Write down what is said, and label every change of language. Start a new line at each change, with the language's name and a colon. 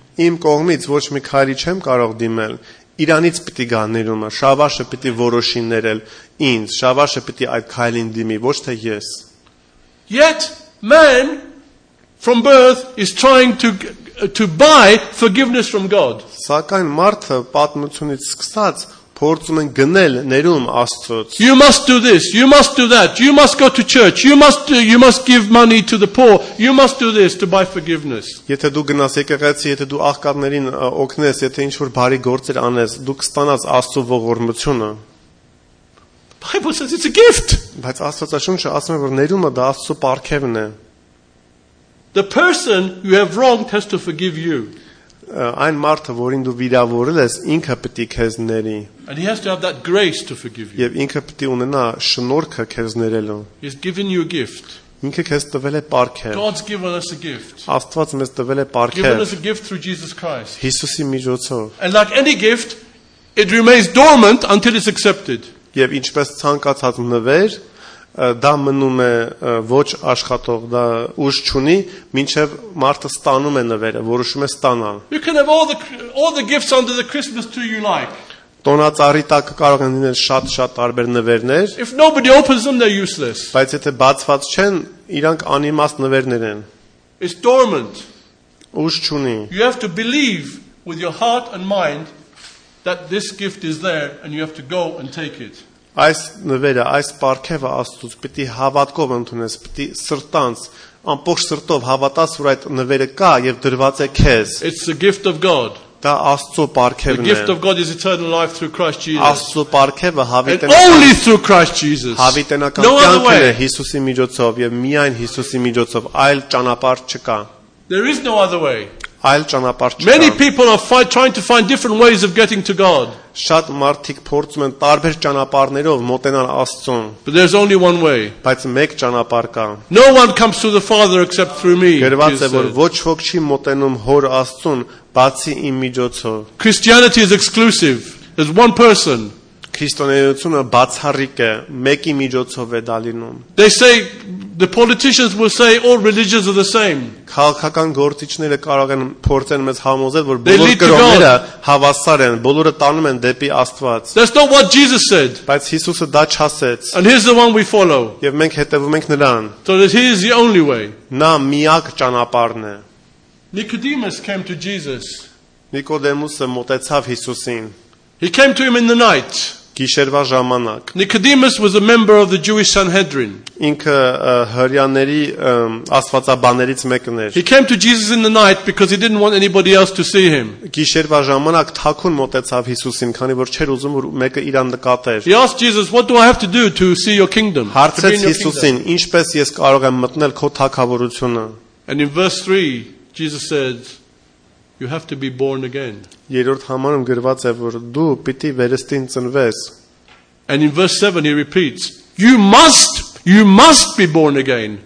Armenian: Իմ կողմից ոչ մի քայլի չեմ կարող դիմել։ Իրանից պիտի գա ներումը, Շավաշը պիտի որոշի ներել ինձ, Շավաշը պիտի այդ քայլին դիմի, ոչ թե ես։
English: Yet man from birth is trying to buy forgiveness from God.
Armenian: Սակայն մարդը պատմությունից սկսած փորձում են գնել ներում Աստծոց.
English: You must do this, you must do that, you must go to church, you must give money to the poor, you must do this to buy forgiveness.
Armenian: Եթե դու գնաս եկեղեցի, եթե դու աղքատներին օգնես, եթե ինչ-որ բարի գործեր անես, դու կստանաս Աստծո ողորմությունը.
English: Bible says it's a gift.
Armenian: Բայց Աստվածաշունչը ասում է, որ ներումը դա Աստծո պարգևն է.
English: The person you have wronged has to forgive you.
Armenian: Այն մարդը, որին դու վիրավորել ես, ինքը պետք է քեզ ների։
English: And he has to have that grace to forgive you.
Armenian: Եվ ինքը պետք է ունենա շնորհքը քեզ ներելու։
English: He's given you a gift.
Armenian: Ինքը քեզ տվել է պարգև։
English: God's given us a gift.
Armenian: Աստված մեզ տվել է պարգև։
English: Given us a gift through Jesus Christ.
Armenian: Հիսուսի միջոցով։
English: And like any gift, it remains dormant until it's accepted.
Armenian: Եվ ինչպես ցանկացած նվեր, դա մնում է ոչ աշխատող, դա ուժ չունի, մինչև մարդը ստանում է նվերը, որոշում է ստանալ։
English: You can have all the gifts under the Christmas tree you like.
Armenian: Տոնածառի տակ կարող են լինել շատ-շատ տարբեր նվերներ։
English: If nobody opens them, they're useless.
Armenian: Բայց եթե բացված չեն, իրանք անիմաստ նվերներ են։
English: It's dormant.
Armenian: Ուժ չունի։
English: You have to believe with your heart and mind that this gift is there and you have to go and take it.
Armenian: Այս նվերը, այս պարգևը Աստծոց պիտի հավատքով ընդունես, պիտի սրտանց, ամբողջ սրտով հավատաս, որ այդ նվերը կա եւ դրված է քեզ։
English: It's the gift of God. The gift of God is eternal life through Christ Jesus.
Armenian: Աստծո պարգևը հավիտենական
English: only through Christ Jesus.
Armenian: Հավիտենական կյանքն է Հիսուսի միջոցով եւ միայն Հիսուսի միջոցով, այլ ճանապարհ չկա.
English: There is no other way.
Armenian: Այլ ճանապարհ չկա.
English: Many people are trying to find different ways of getting to God.
Armenian: Շատ մարդիկ փորձում են տարբեր ճանապարհներով մոտենալ Աստծուն.
English: But there's only one way.
Armenian: Բայց մեկ ճանապարհ կա.
English: No one comes to the Father except through me.
Armenian: Գրված է, որ ոչ ոք չի մոտենում Հոր Աստծուն, բացի իմ միջոցով.
English: Christianity is exclusive. There's one person.
Armenian: Քրիստոնեությունը բացառիկ է, մեկի միջոցով է դալինում.
English: They say the politicians will say all religions are the same.
Armenian: Քաղաքական գործիչները կարող են փորձեն մեզ համոզել, որ բոլոր կրոնները հավասար են, բոլորը տանում են դեպի Աստված.
English: That's not what Jesus said.
Armenian: Բայց Հիսուսը դա չասեց.
English: And he's the one we follow.
Armenian: Եվ մենք հետևում ենք նրան.
English: So that he is the only way.
Armenian: Նա միակ ճանապարհն է.
English: Nicodemus came to Jesus.
Armenian: Նիկոդեմուսը մոտեցավ Հիսուսին.
English: He came to him in the night.
Armenian: Գիշերվա ժամանակ.
English: Nicodemus was a member of the Jewish Sanhedrin.
Armenian: Ինքը հրեաների աստվածաբաներից մեկն էր.
English: He came to Jesus in the night because he didn't want anybody else to see him.
Armenian: Գիշերվա ժամանակ թաքուն մոտեցավ Հիսուսին, քանի որ չէր ուզում, որ մեկը իրան նկատեր.
English: He asked Jesus, "What do I have to do to see your kingdom?"
Armenian: Հարցեց Հիսուսին, ինչպես ես կարող եմ մտնել քո թագավորությունը.
English: And in verse 3, Jesus said, "You have to be born again."
Armenian: Երրորդ համարում գրված է, որ դու պիտի վերստին ծնվես.
English: And in verse 7 he repeats, you must be born again.